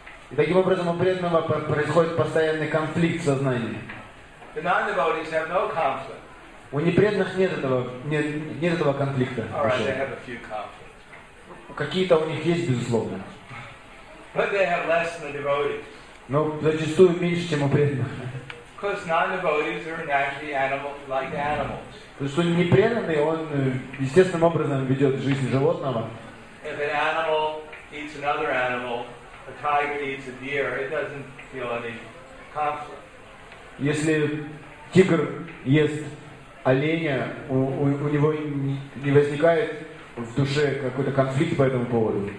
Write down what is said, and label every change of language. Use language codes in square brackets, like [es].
[ru] И таким образом у преданного происходит постоянный конфликт в сознании. [en] The non-devotees have no conflict. [ru] У непреданных нет этого конфликта. [en] All right, they have a few conflicts. [ru] Какие-то у них есть, безусловно. [en] But they have less than the devotees. [ru] Но зачастую меньше, чем у преданных. [en] Because non-devotees are naturally animal-like animals. [ru] То есть, что непреданный, он естественным образом ведет жизнь животного. [en] If an animal eats another animal, a tiger eats a deer, it doesn't feel any conflict. [ru] Если тигр ест оленя, у него не возникает в душе какой-то конфликт по этому поводу.